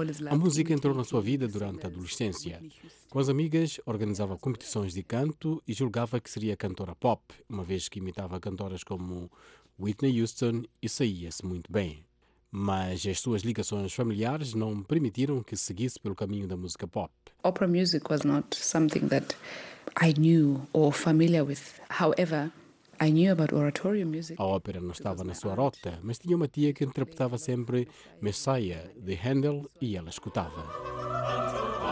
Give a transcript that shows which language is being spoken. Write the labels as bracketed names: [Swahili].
[Portuguese] A música entrou na sua vida durante a adolescência. Com as amigas, organizava competições de canto e julgava que seria cantora pop, uma vez que imitava cantoras como Whitney Houston e saía-se muito bem. Mas as suas ligações familiares não permitiram que seguisse pelo caminho da música pop. [English] Opera music was not something that I knew or familiar with. However, I knew about oratorio music. [Portuguese] A ópera não estava na sua rota, mas tinha uma tia que interpretava sempre Messiah, de Handel, e ela escutava.